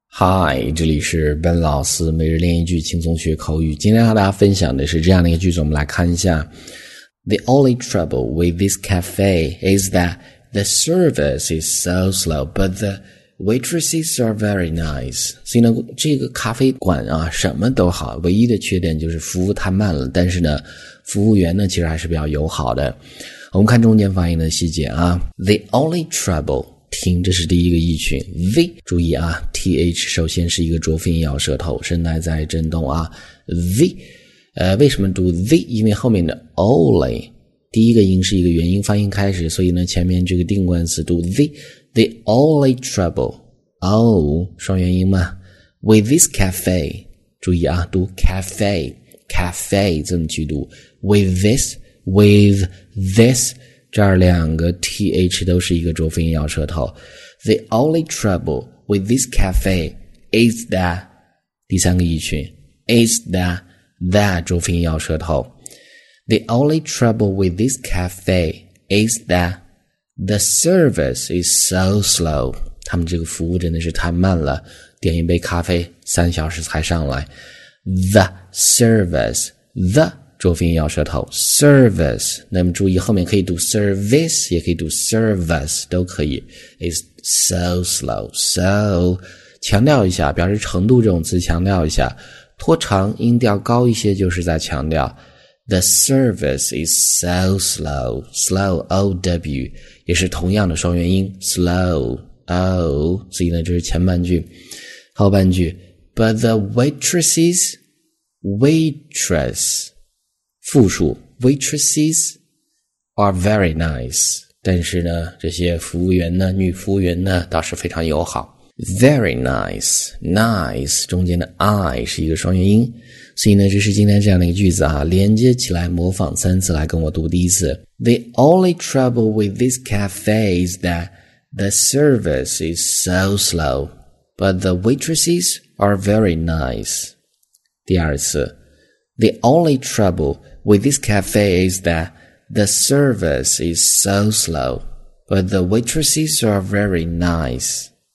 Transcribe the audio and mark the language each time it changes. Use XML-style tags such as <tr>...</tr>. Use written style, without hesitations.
<zh>嗨，这里是 Ben 老师每日练一句轻松学口语。今天和大家分享的是这样的一个句子，我们来看一下。</zh> <en>The only trouble with this cafe is that the service is so slow, but the waitresses are very nice.</en> <zh>所以呢，这个咖啡馆啊，什么都好，唯一的缺点就是服务太慢了，但是呢，服务员呢，其实还是比较友好的。我们看中间发音的细节啊。</zh> <en>The only trouble,</en> <zh>听，这是第一个意群 V, 注意啊 ,TH 首先是一个浊音，咬舌头，声带在震动啊 ,V, 为什么读 V? 因为后面的 only, 第一个音是一个元音发音开始，所以呢前面这个定冠词读 V,</zh> <en>the only trouble,</en> <zh>O, 双元音嘛 ,</zh> <en>with this cafe,</en> <zh>注意啊读 cafe, cafe, 这么去读 ,with this,这儿两个 th 都是一个浊音咬舌头。</zh> <en>The only trouble with this cafe is that,</en> <zh>第三个意群</zh> <en>is that</en> <zh>浊音咬舌头。</zh> <en>The only trouble with this cafe is that the service is so slow.</en> <zh>他们这个服务真的是太慢了，点一杯咖啡三小时才上来。 The service, the,浊音咬舌头 service, 那么注意后面可以读 service, 也可以读 service, 都可以</zh> <en>is so slow,</en> <zh>so, 强调一下，表示程度这种词强调一下，拖长音调高一些就是在强调</zh> <en>the service is so slow,</en> <zh>slow, ow, 也是同样的双元音 slow, ow, 所以呢这是前半句，后半句</zh> <en>but the waitresses,</en> <zh>waitress,复数</zh> <en>waitresses are very nice,</en> <zh>但是呢这些服务员呢女服务员呢倒是非常友好。</zh> <en>Very nice, nice,</en> <zh>中间的 I 是一个双元音。所以呢这是今天这样的一个句子啊，连接起来模仿三次来跟我读第一次。</zh> <en>The only trouble with this cafe is that the service is so slow, but the waitresses are very nice.</en> <zh>第二次。</zh> <en>The only trouble with this cafe is that the service is so slow, but the waitresses are very nice.</en>